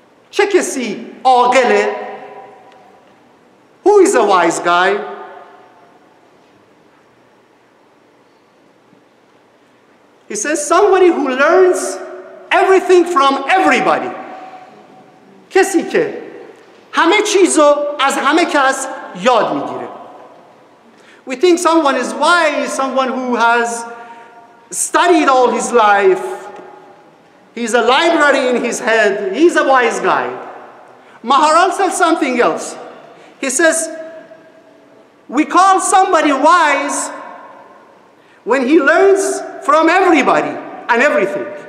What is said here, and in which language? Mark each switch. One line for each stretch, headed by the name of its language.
Persian: Chekesi Agele.
English: Who is a wise guy? He says, somebody who learns everything from everybody.
Persian: کسی که همه چیزو از همه کس یاد میگیره.
English: We think someone is wise, someone who has studied all his life. He's a library in his head. He's a wise guy. Maharal says something else. He says, we call somebody wise when he learns from everybody and everything.